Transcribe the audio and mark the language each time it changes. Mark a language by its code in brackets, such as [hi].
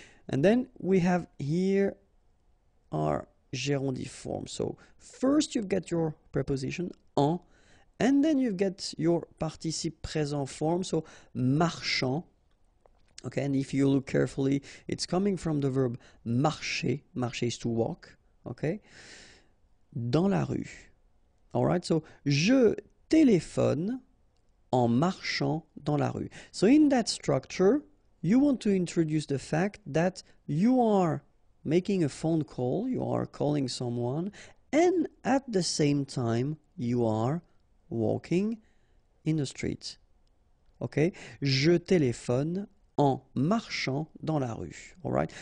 [en] And then we have here our gérondif form. So first you get your preposition en, and then you get your participe présent form, so marchant. Okay, and if you look carefully, it's coming from the verb marcher. Marcher is to walk, okay? [fr] Dans la rue. Alright, so je téléphone en marchant dans la rue. [en] So in that structure, you want to introduce the fact that you are making a phone call, you are calling someone, and at the same time, you are walking in the street. Okay? [fr] Je téléphone en marchant dans la rue. Alright?